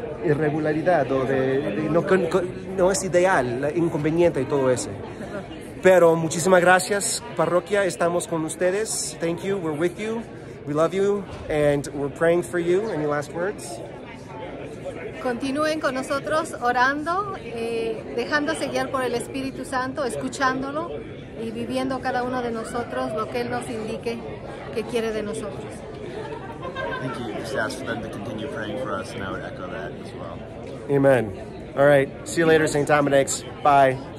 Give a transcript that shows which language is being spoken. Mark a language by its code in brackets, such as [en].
[es] irregularidad, o de no es ideal, inconveniente y todo eso. Pero muchísimas gracias, parroquia, estamos con ustedes. [en] Thank you, we're with you, we love you, and we're praying for you. Any last words? [es] Continúen con nosotros orando, dejándose guiar por el Espíritu Santo, escuchándolo y viviendo cada uno de nosotros lo que Él nos indique que quiere de nosotros. [en] Thank you. Just ask for them to continue praying for us, and I would echo that as well. Amen. All right. See you later, St. Dominic's. Bye.